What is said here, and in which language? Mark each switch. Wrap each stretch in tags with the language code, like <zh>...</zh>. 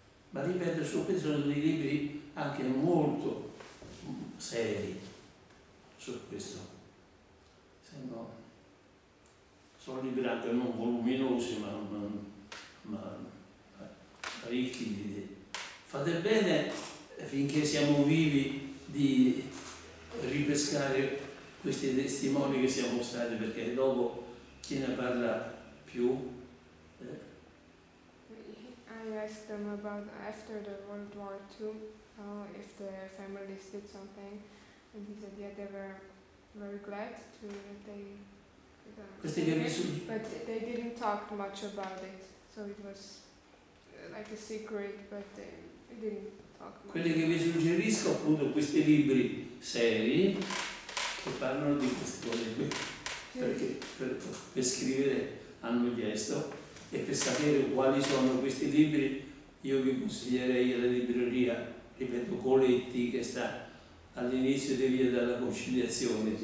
<it>Ma ripeto, su questo sono dei libri anche molto seri, su questo, se no, sono libri anche non voluminosi, ma ricchi di idee. Fate bene, finché siamo vivi, di ripescare questi testimoni che siamo stati, perché dopo chi ne parla più?</it> <en>I asked them about after the World War II, if the families did something, and he said yeah, they were very glad to that they but they didn't talk much about it, so it was like a secret, but they didn't talk much.</en> <it>Quelli che vi suggerisco appunto questi libri seri che parlano di queste cose qui, perché per scrivere hanno chiesto, e per sapere quali sono questi libri io vi consiglierei la libreria, ripeto, Coletti, che sta all'inizio di via della Conciliazione.</it>